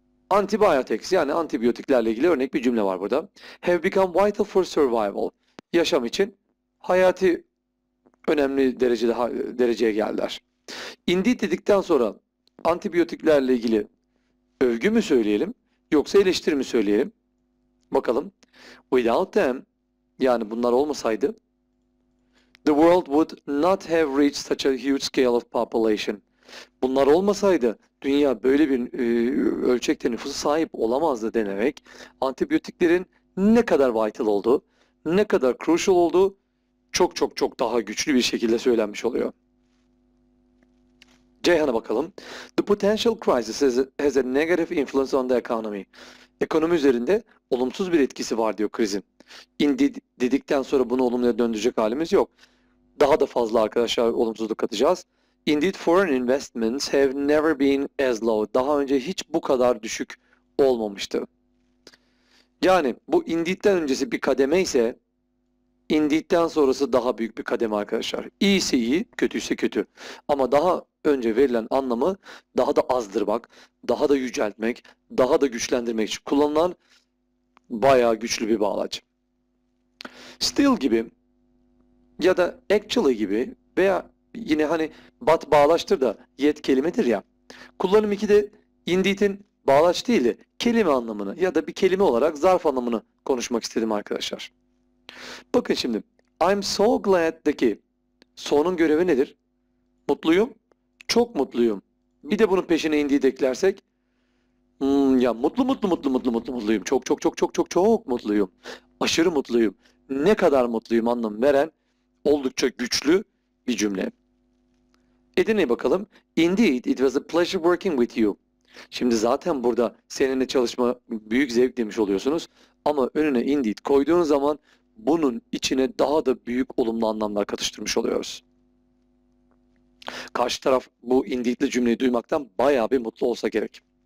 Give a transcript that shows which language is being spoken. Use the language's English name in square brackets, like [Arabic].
[Turkish] Antibiotics, yani antibiyotiklerle ilgili örnek bir cümle var burada. [English] Have become vital for survival. [Turkish] Yaşam için hayati önemli dereceye geldiler. Indeed dedikten sonra antibiyotiklerle ilgili övgü mü söyleyelim yoksa eleştiri mi söyleyelim? Bakalım. [English] Without them, [Turkish] yani bunlar olmasaydı, [English] the world would not have reached such a huge scale of population. [Turkish] Bunlar olmasaydı dünya böyle bir ölçekte nüfusa sahip olamazdı denerek antibiyotiklerin ne kadar vital olduğu, ne kadar crucial olduğu çok çok çok daha güçlü bir şekilde söylenmiş oluyor. Ceyhan'a bakalım. [English] The potential crisis has a negative influence on the economy. [Turkish] Ekonomi üzerinde olumsuz bir etkisi var diyor krizin. Indeed dedikten sonra bunu olumluya döndürecek halimiz yok. Daha da fazla arkadaşlar olumsuzluk katacağız. [English] Indeed foreign investments have never been as low. [Turkish] Daha önce hiç bu kadar düşük olmamıştı. Yani bu Indeed'den öncesi bir kademe ise Indeed'den sonrası daha büyük bir kademe arkadaşlar. İyiyse iyi, kötüyse kötü. Ama daha önce verilen anlamı daha da azdırmak, daha da yüceltmek, daha da güçlendirmek için kullanılan bayağı güçlü bir bağlaç. Still gibi ya da actually gibi veya yine hani but bağlaçtır da yet kelimedir ya. Kullanım 2'de Indeed'in bağlaç değil de kelime anlamını ya da bir kelime olarak zarf anlamını konuşmak istedim arkadaşlar. Bakın şimdi [English] I'm so glad'daki [Turkish] so'nun görevi nedir? Mutluyum, çok mutluyum. Bir de bunun peşine indiği eklersek, ya mutlu mutlu mutlu mutlu mutlu mutluyum. Çok çok çok çok çok çok mutluyum. Aşırı mutluyum. Ne kadar mutluyum anlam veren oldukça güçlü bir cümle. Edirne'ye bakalım. [English] Indeed, it was a pleasure working with you. [Turkish] Şimdi zaten burada seninle çalışma büyük zevk demiş oluyorsunuz. Ama önüne Indeed koyduğun zaman bunun içine daha da büyük olumlu anlamlar katıştırmış oluyoruz. Karşı taraf bu Indeed'li cümleyi duymaktan bayağı bir mutlu olsa gerek.